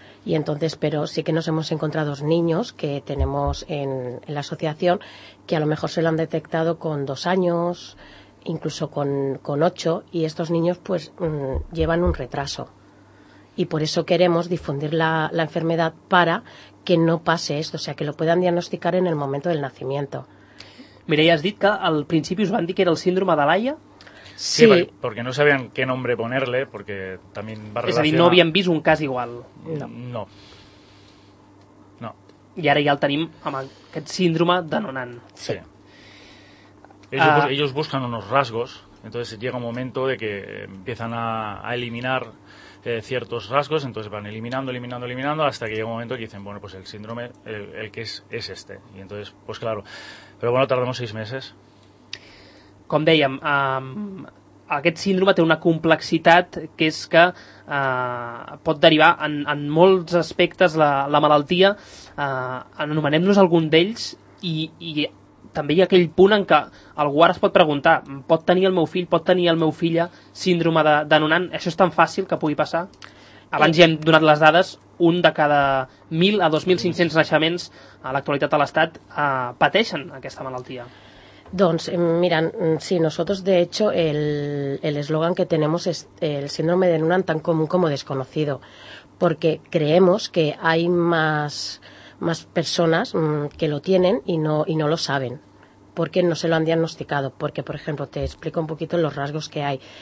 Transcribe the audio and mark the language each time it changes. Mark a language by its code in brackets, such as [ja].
[es] Y entonces, pero sí que nos hemos encontrado niños que tenemos en la asociación que a lo mejor se lo han detectado con 2 años, incluso con 8, y estos niños pues llevan un retraso. y por eso queremos difundir la enfermedad para que no pase esto, o sea, que lo puedan diagnosticar en el momento del nacimiento. [ca] Mireia, has dit que al principi us van dir que era el síndrome de Laia? [es] Sí, sí, porque no sabían qué nombre ponerle, porque también va relacionado. [ca] És a dir, no havien vist un cas igual. [es] No. No. [ca] I ara ja el tenim amb aquest síndrome de Noonan. [es] Sí. Sí. Ellos buscan unos rasgos, entonces llega un momento de que empiezan a eliminar ciertos rasgos, entonces van eliminando, hasta que llega un momento que dicen, bueno, pues el síndrome, el que es este. Y entonces, pues claro. Pero bueno, tardamos 6 meses. [ca] Com dèiem, aquest síndrome té una complexitat que és que pot derivar en molts aspectes la malaltia. Anomenem-nos algun d'ells i també hi ha aquell punt en què algú ara es pot preguntar, pot tenir el meu fill, pot tenir el meu fill síndrome de Noonan? Això és tan fàcil que pugui passar? Abans ja hem donat les dades, un de cada 1.000 a 2.500 naixements a l'actualitat a l'Estat pateixen aquesta malaltia. [es] Doncs, miren, sí, nosotros de hecho el eslogan que tenemos es el síndrome de Noonan tan común como desconocido, porque creemos que hay más personas que lo tienen y no lo saben, porque no se lo han diagnosticado, porque, por ejemplo, te explico un poquito los rasgos que hay.